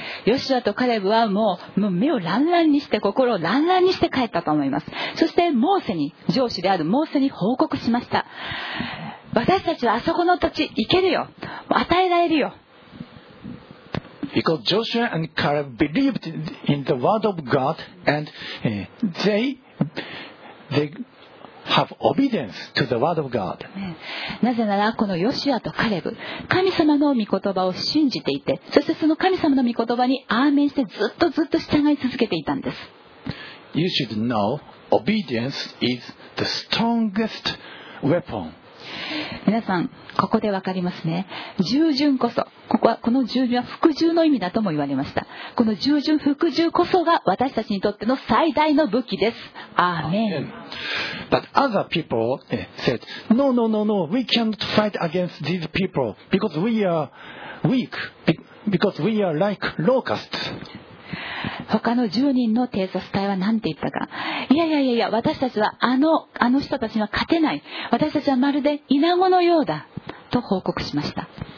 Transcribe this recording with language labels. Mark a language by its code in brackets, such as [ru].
[ja] ヨシュアとカレブはもう目をランランにして、心をランランにして帰ったと思います。そしてモーセに、上司であるモーセに報告しました。私たちはあそこの土地行けるよ。与えられるよ。 [en] Because Joshua and Caleb believed in the word of God and they have obedience to the word of God. [ja] なぜならこのヨシュアとカレブ、神様の御言葉を信じていて、そしてその神様の御言葉にアーメンしてずっとずっと従い続けていたんです。 [en] You should know obedience is the strongest weapon. [ja] 皆さんここでわかりますね。従順こそ、ここはこの従順は服従の意味だとも言われました。この従順服従こそが私たちにとっての最大の武器です。アーメン。 [en] But other people said, no, no, no, no, we can't fight against these people because we are weak, because we are like locusts. [ja] 他の10人の偵察隊は何て言ったか。いやいやいやいや、私たちはあの人たちには勝てない。私たちはまるでイナゴのようだと報告しました。